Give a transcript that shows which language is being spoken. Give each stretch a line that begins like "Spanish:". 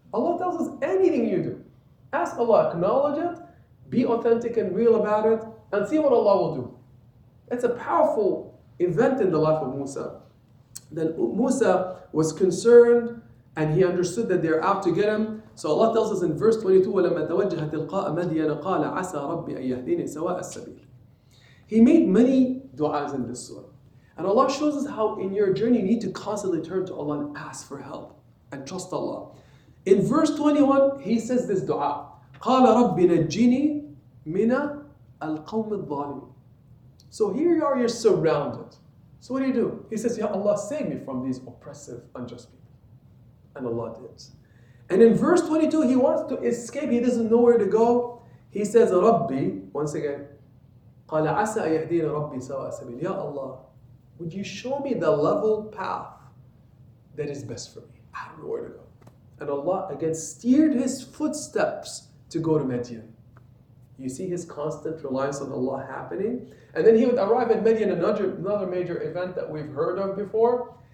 English: Allah tells us anything you do. Ask Allah, acknowledge it, be authentic and real about it, and see what Allah will do. It's a powerful event in the life of Musa. Then Musa was concerned, and he understood that they're out to get him. So Allah tells us in verse 22,
Arabic: وَلَمَّا تَوَجَّهَ تِلْقَاءَ مَدْيَنَ قَالَ عَسَى رَبِّي أَنْ يَهْدِينِ سَوَاءَ السَّبِيلِ.
English: He made many du'as in this surah. And Allah shows us how in your journey you need to constantly turn to Allah and ask for help and trust Allah. In verse 21, he says this du'a,
Arabic: قَالَ رَبِّ نَجِّنِي مِنَ الْقَوْمِ الظَّالِمِ.
English: So here you are, you're surrounded. So what do you do? He says, Ya Allah, save me from these oppressive, unjust people. And Allah did. And in verse 22, he wants to escape. He doesn't know where to go. He says,
Arabic: Rabbi,
English: once again,
Arabic: قَالَ عَسَىٰ يَهْدِينَ رَبِّي سَوَىٰ سَبِيلِ.
English: Ya Allah, would you show me the level path that is best for me? I don't know where to go. And Allah again steered his footsteps to go to Medyan. You see his constant reliance on Allah happening. And then he would arrive at Medyan, another major event that we've heard of before.